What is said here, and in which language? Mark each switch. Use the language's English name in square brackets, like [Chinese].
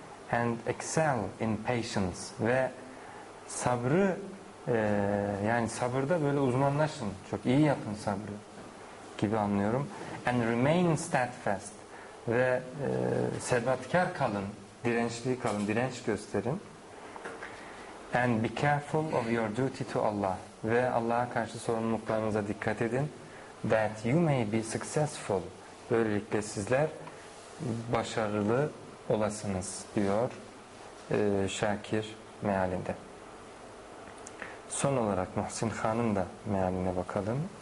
[English] and excel in patience. [Turkish] Ve sabrı, yani sabırda böyle uzmanlaşın, çok iyi yapın sabrı gibi anlıyorum. [English] And remain steadfast. [Turkish] Ve sebatkar kalın, dirençli kalın, direnç gösterin. [English] And be careful of your duty to Allah. [Turkish] Ve Allah'a karşı sorumluluklarınıza dikkat edin. [English] That you may be successful. [Turkish] Böylelikle sizler başarılı olasınız diyor Şakir mealinde. Son olarak Muhsin Han'ın da mealine bakalım.